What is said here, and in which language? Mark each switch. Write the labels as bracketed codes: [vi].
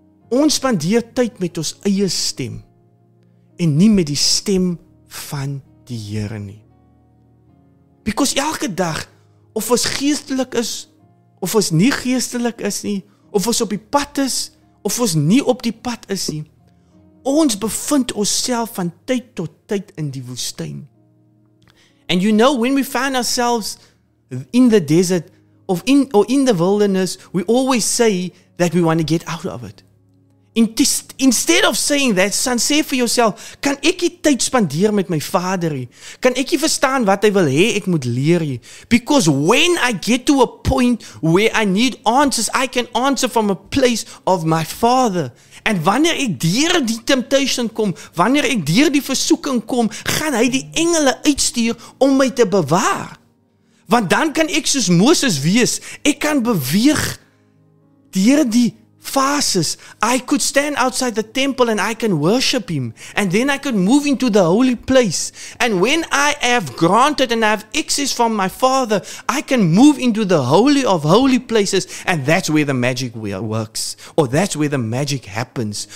[af] Ons spandeer tyd met ons eie stem en nie met die stem van die Here nie. Because elke dag, of ons geestelik is, of ons nie geestelik is nie, of ons op die pad is, of ons nie op die pad is nie, ons bevind onsself van tyd tot tyd in die woestyn. [en] And you know, when we find ourselves in the desert, or in the wilderness, we always say that we want to get out of it. Instead of saying that, son, say for yourself, [af] kan ek die tyd spandeer met my vader? Kan ek die verstaan wat hy wil hê ek moet leer? [en] Because when I get to a point where I need answers, I can answer from a place of my father. [af] And wanneer ek deur die temptation kom, wanneer ek deur die versoeking kom, gaan hy die engele uitstuur om my te bewaar. Want dan kan ek soos Moses wees, ek kan beweeg deur die fases. [en] I could stand outside the temple and I can worship him. And then I could move into the holy place. And when I have granted and I have access from my father, I can move into the holy of holy places. And that's where the magic works. Or that's where the magic happens.